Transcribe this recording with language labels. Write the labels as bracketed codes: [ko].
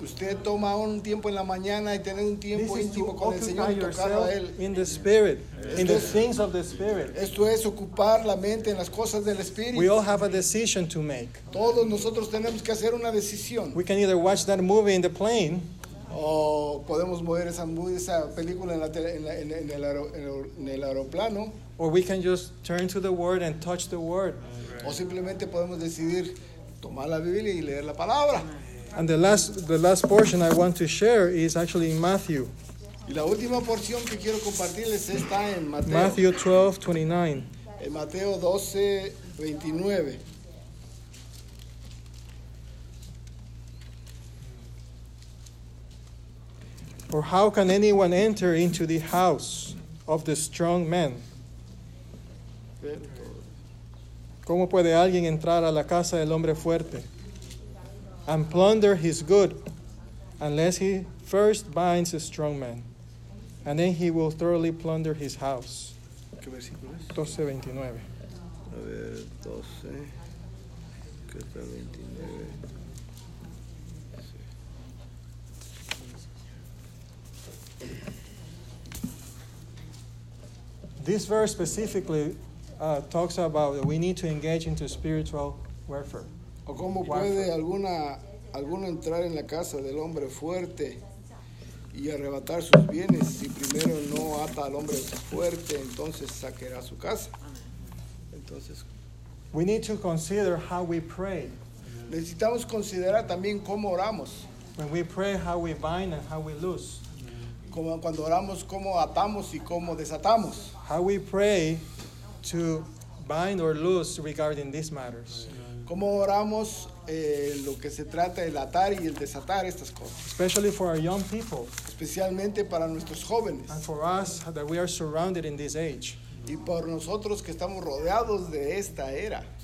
[es] Usted toma un tiempo en la mañana y tener un tiempo íntimo con el Señor y tocar a él. [en] In the spirit, in the things of the spirit. [es] Esto es ocupar la mente en las cosas del espíritu. [en] We all have a decision to make. [es] Todos nosotros tenemos que hacer una decisión. [en] We can either watch that movie in the plane. [es] podemos mover esa película en el aeroplano. [en] Or we can just turn to the Word and touch the Word. Right. [es] O simplemente podemos decidir tomar la Biblia y leer la palabra. [en] And the last portion I want to share is actually in Matthew. [es] Y la última porción que quiero compartirles está en Mateo. [en] Matthew 12:29. [es] En Mateo 12:29. [en] For how can anyone enter into the house of the strong man? [es] ¿Cómo puede alguien entrar a la casa del hombre fuerte? [en] And plunder his good, unless he first binds a strong man. And then he will thoroughly plunder his house. [es] ¿Qué versículo es? 12:29. A ver, 12. ¿Qué está 29? [en] This verse specifically talks about that we need to engage into spiritual warfare. [es] ¿O cómo puede alguno entrar en la casa del hombre fuerte y arrebatar sus bienes si primero no ata al hombre fuerte, entonces saqueará su casa? Entonces, [en] we need to consider how we pray. [es] Necesitamos considerar también cómo oramos. [en] When we pray, how we bind and how we loose. [es] Como cuando oramos, cómo atamos y cómo desatamos. [en] How we pray to bind or loose regarding these matters. [es] Cómo oramos lo que se trata el atar y el desatar estas cosas. [en] Especially for our young people. [es] Especialmente para nuestros jóvenes. [en] And for us that we are surrounded in this age. [es] Y por nosotros que estamos rodeados de esta era.